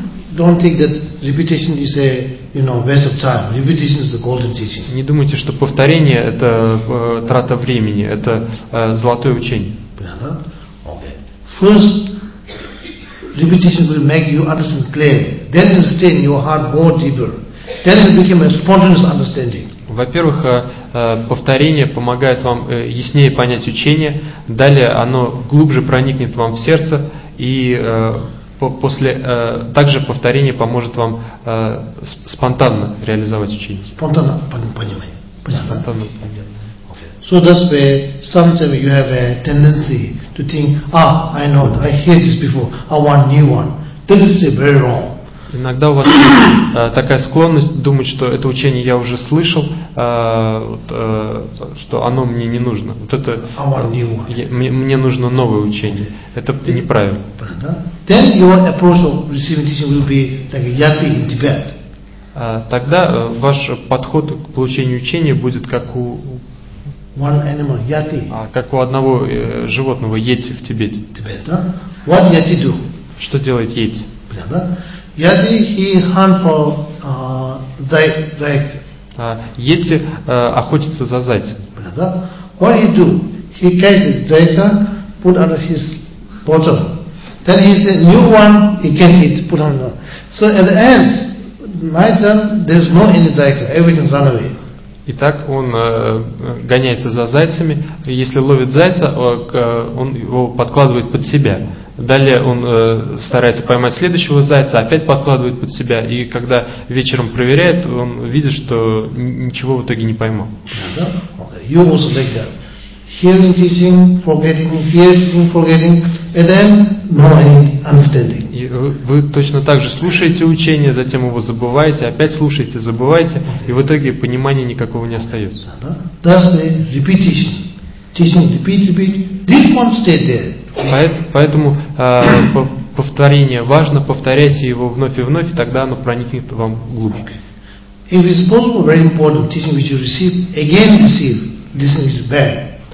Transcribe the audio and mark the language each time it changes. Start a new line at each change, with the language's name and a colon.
English: Don't think that repetition is a, you know, waste of time. Repetition is a golden teaching.
Russian: Не думайте, что повторение это трата времени, это золотое учение. Понятно?
English: Okay. First, repetition will make you understand clearly. Then you stay in your heart more deeper. Then it became a spontaneous understanding.
Russian: Во-первых, повторение помогает вам яснее понять учение. Далее оно глубже проникнет вам в сердце. И после также повторение поможет вам спонтанно реализовать учение. Спонтанно понимание. Понятно?
English: So that's where sometimes you have a tendency to think, ah, I know, I heard this before, I want new one. That is very wrong.
Russian: Иногда у вас такая склонность думать, что это учение я уже слышал, что оно мне не нужно. Вот это мне нужно новое учение. Это неправильно.
English: Then your approach of receiving teaching will be like Yati in Tibet.
Russian: Тогда ваш подход к получению учения будет как у
English: one animal, Yati.
Russian: Как у одного животного Йети в Тибете.
English: Tibet,
Russian: да?
English: What Yati do?
Russian: Что делает Йети? Понятно?
English: Yeti, he hunt for зайка.
Russian: Йети охотится за зайцем. Понятно?
English: What he do? He catch the зайка, put under his bottom. Then he say new one, he catch it, put under. So at the end, night time, there's no any зайка, everything's run away.
Russian: Итак, он гоняется за зайцами. Если ловит зайца, он его подкладывает под себя. Далее он старается поймать следующего зайца, опять подкладывает под себя. И когда вечером проверяет, он видит, что ничего в итоге не поймал.
English: You also like that. Hearing, teaching, forgetting, hearing, forgetting, and then no understanding.
Russian: Вы точно так же слушаете учение, затем его забываете, опять слушаете, забываете, и в итоге понимания никакого не остается.
English: That's the repetition. Teaching, repeat, repeat. This one stayed there.
Russian: Поэтому повторение важно, повторяйте его вновь и вновь, и тогда оно проникнет вам глубже.
English: Okay. If it's possible, very important, teaching which you receive, again receive, this is bad.